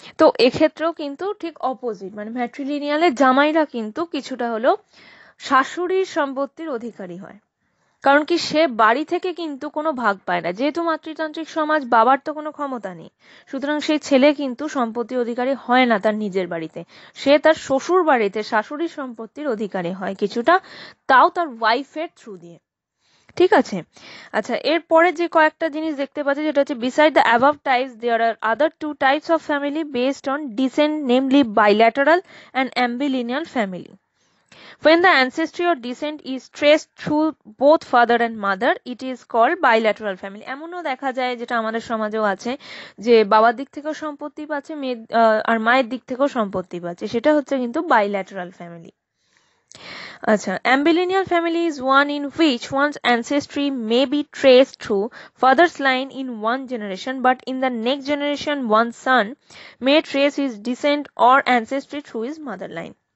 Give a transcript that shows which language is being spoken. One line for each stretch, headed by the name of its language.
Bangla: তো এক্ষেত্রেও কিন্তু ঠিক অপোজিট, মানে ম্যাট্রিলিনিয়ালে জামাইরা কিন্তু কিছুটা হলেও শাশুড়ির সম্পত্তির অধিকারী হয়, কারণ কি সে বাড়ি থেকে কিন্তু কোনো ভাগ পায় না, যেহেতু মাতৃতান্ত্রিক সমাজ বাবার তো কোনো ক্ষমতা নেই, সুতরাং সেই ছেলে কিন্তু সম্পত্তির অধিকারী হয় না তার নিজের বাড়িতে, সে তার শ্বশুর বাড়িতে শাশুড়ির সম্পত্তির অধিকারী হয় কিছুটা, তাও তার ওয়াইফের থ্রু দিয়ে, ঠিক আছে। আচ্ছা, এরপরে যে কয়েকটা জিনিস দেখতে পাচ্ছি যেটা হচ্ছে
English: Beside the above types there are other two types of family based on descent, namely bilateral and ambilineal family. When the ancestry or descent is traced through both father and mother, it is called bilateral family.
Bangla: এমনও দেখা যায় যেটা আমাদের সমাজেও আছে যে বাবার দিক থেকেও সম্পত্তি পাচ্ছে মেয়ে আর মায়ের দিক থেকেও সম্পত্তি পাচ্ছে, সেটা হচ্ছে কিন্তু bilateral family.
English: আচ্ছা, ambilineal family is one in which one's ancestry may be trace through father's line in one generation, but in the next generation one son may trace is descent or ancestry through is mother line.